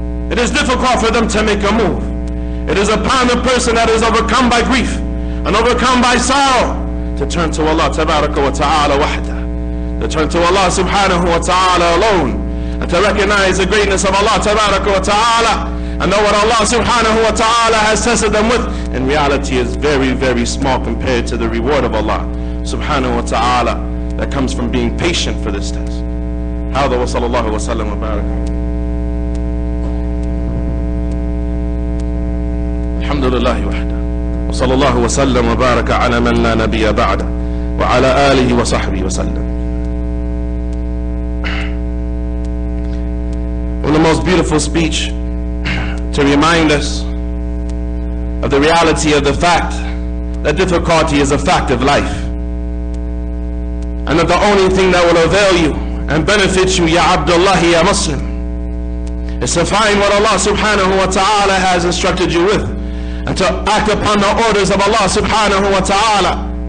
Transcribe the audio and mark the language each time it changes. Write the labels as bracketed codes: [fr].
[en] It is difficult for them to make a move. It is upon the person that is overcome by grief and overcome by sorrow to turn to Allah tabaraka wa ta'ala wahda, to turn to Allah subhanahu wa ta'ala alone, and to recognize the greatness of Allah tabaraka wa ta'ala, and know what Allah subhanahu wa ta'ala has tested them with, in reality, is very, very small compared to the reward of Allah subhanahu wa ta'ala that comes from being patient for this test. [ar] هذا وصلى الله وسلم وبارك. الحمد لله وحده. وصلى الله وسلم وبارك على من لا نبي بعده وعلى آله وصحبه وسلم. [en] One of the most beautiful speech to remind us of the reality of the fact that difficulty is a fact of life. And that the only thing that will avail you and benefit you, Ya Abdullah, Ya Muslim, is to find what Allah subhanahu wa ta'ala has instructed you with, and to act upon the orders of Allah subhanahu wa ta'ala.